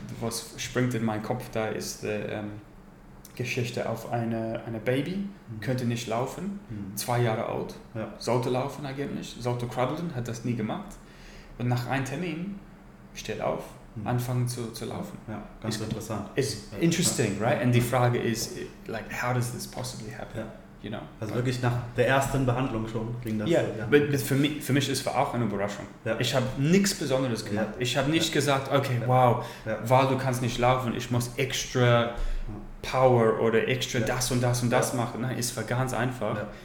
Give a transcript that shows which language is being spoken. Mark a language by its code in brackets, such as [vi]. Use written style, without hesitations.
[de] Was springt in meinen Kopf da, ist die Geschichte auf eine Baby, könnte nicht laufen, 2 Jahre alt, sollte laufen eigentlich, sollte krabbeln, hat das nie gemacht. Und nach einem Termin steht auf, anfangen zu laufen. Ja, ganz interessant. [en] It's interesting, right? And [de] die Frage ist, [en] like, how does this possibly happen? [de] Ja. [en] You know? [de] Also wirklich nach der ersten Behandlung schon ging das. [en] Yeah. So, but [de] für mich ist es auch eine Überraschung. Ja. Ich habe nichts Besonderes gemacht. Ja. Ich habe nicht gesagt, okay, weil du kannst nicht laufen, ich muss extra Power oder extra das und das und das machen. Nein, es war ganz einfach.